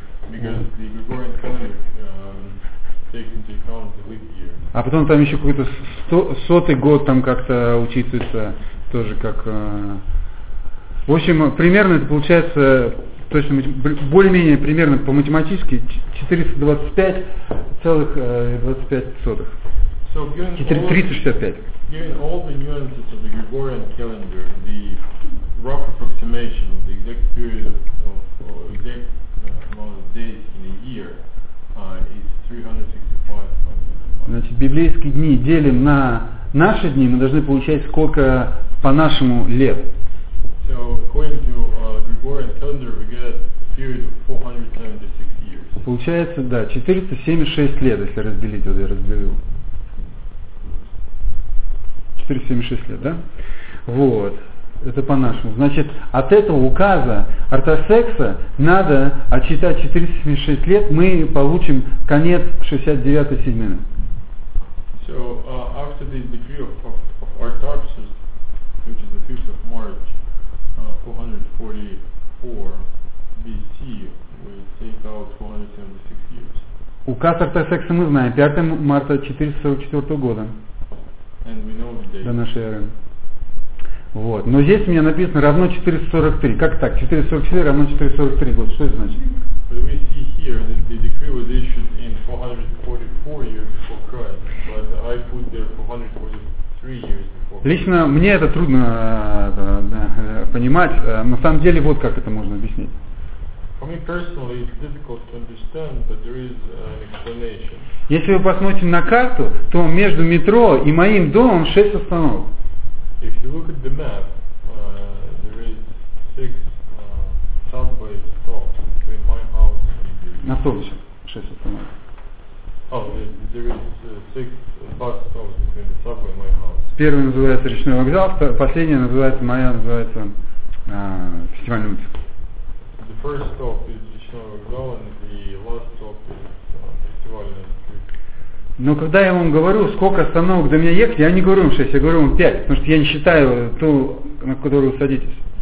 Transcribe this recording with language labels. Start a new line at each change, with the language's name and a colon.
English: Because the Gregorian calendar takes into account the leap year.
Russian: А потом там еще какой-то сотый год там как-то учитывается тоже как... В общем, примерно это получается, точно, более-менее примерно по математически 425,25.
English: So given 365. Given all the nuances of the Gregorian calendar, the rough approximation of the exact period of exact amount of days in a year is 365.
Russian: Значит, библейские дни делим на наши дни, мы должны получать сколько по нашему лет.
English: So according to Gregorian calendar, we get a period of 476 years.
Russian: Получается, да, 476 лет, если разделить, вот я разделил. 476 лет, да? Вот. Это по-нашему. Значит, от этого указа Артасекса надо отчитать 476 лет, мы получим конец 69-й седьмины.
English: So, after the decree of Artaxerxes, which is the 5th of March, 444 BC, we take out 476 years.
Russian: Указ Артасекса мы знаем, 5 марта 444 года.
English: And we know the date.
Russian: До нашей эры. Вот. Но здесь у меня написано равно 443. Как так? 444 равно 443 год. Что это значит?
English: But we see here that the decree was issued in 444 years before Christ, but I put there 443 years before.
Russian: Лично мне это трудно понимать. На самом деле вот как это можно объяснить.
English: For me personally it's difficult to understand, but there is an explanation.
Russian: Если вы посмотрите на карту, то между метро и моим домом 6 остановок.
English: If you look at the map, there is 6 subway stops between my house and the...
Russian: На автобусе 6 остановок.
English: Oh, there is 6 bus stops between the subway and my house.
Russian: Первый называется речной вокзал, последний называется, моя называется, фестивальная улица.
English: The first stop is речной вокзал, and the last stop is фестивальная улица.
Russian: Но когда я вам говорю, сколько остановок до меня ехать, я не говорю вам 6, я говорю вам 5, потому что я не считаю ту, на которую вы садитесь.